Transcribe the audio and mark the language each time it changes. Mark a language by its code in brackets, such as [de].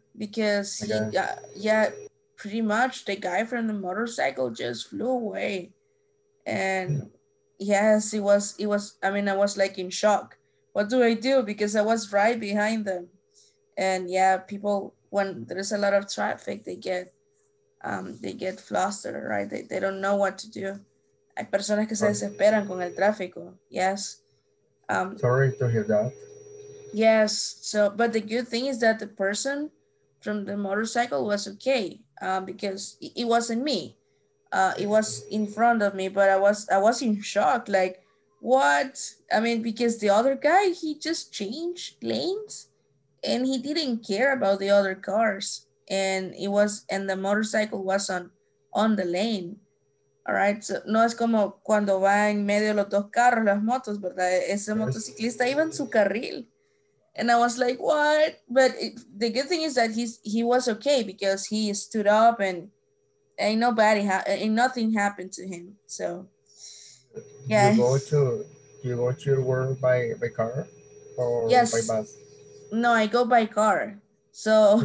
[en] Because he got, yeah, pretty much the guy from the motorcycle just flew away. And yes, it was, I mean, I was like in shock. What do I do? Because I was right behind them. And yeah, people, when there's a lot of traffic, they get flustered, right? They don't know what to do. [es] Hay personas que se desesperan con el tráfico. [en] Yes. Sorry to hear that. Yes, so, but the good thing is that the person from the motorcycle was okay. Because it wasn't me, it was in front of me, but I was in shock, like, what? I mean, because the other guy, he just changed lanes and he didn't care about the other cars, and it was, and the motorcycle was on the lane. All right, [es] so no es como cuando va en medio los dos carros, las motos, ¿verdad? Ese motociclista iba en su carril. [en] And I was like, what? But the good thing is that he was okay because he stood up and nothing happened to him. So, yeah. Do you go to your work by car or yes. by bus? No, I go by car. So,